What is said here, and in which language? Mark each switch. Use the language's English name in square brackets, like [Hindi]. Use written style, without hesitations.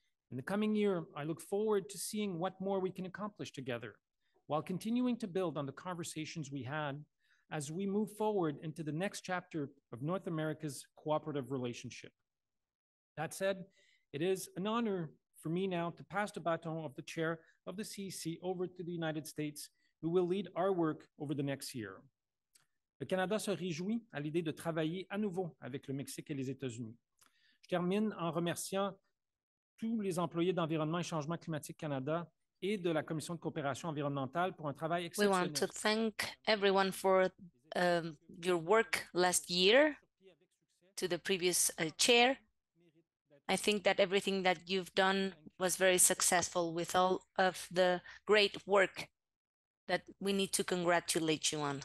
[English] In the coming year, I look forward to seeing what more we can accomplish together while continuing to build on the conversations we had as we move forward into the next chapter of North America's cooperative relationship. That said, it is an honor for me now to pass the baton of the chair of the CEC over to the United States, who will lead our work over the next year. [French] Le Canada se réjouit à l'idée de travailler à nouveau avec le Mexique et les États-Unis. Je termine en remerciant tous les employés d'Environnement et Changement Climatique Canada et de la Commission de coopération environnementale pour un travail exceptionnel. [English] We want to thank everyone for your work last year to the previous chair. I think that everything that you've done was very successful with all of the great work that we need to congratulate you on.